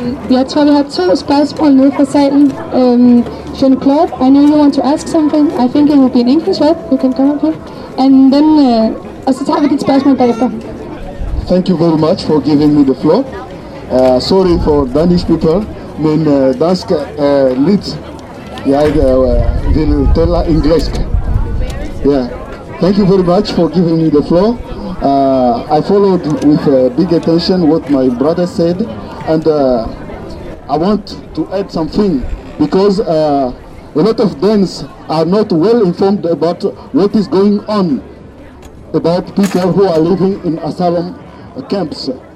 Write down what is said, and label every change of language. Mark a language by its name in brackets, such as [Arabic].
[Danish] Jeg tror, vi har to spørgsmål nede fra salen. [English] Jean-Claude, I know you want to ask something. I think it will be in English, right? You can come up here. And then, [Danish] og så tager vi dit spørgsmål bagefter. [English] Thank you very much for giving me the floor. Sorry for Danish people, [Danish] men dansk lidt. Jeg vil tale engelsk. [English] Yeah. Thank you very much for giving me the floor. I followed with big attention what my brother said, and I want to add something, because a lot of Danes are not well informed about what is going on about people who are living in asylum camps.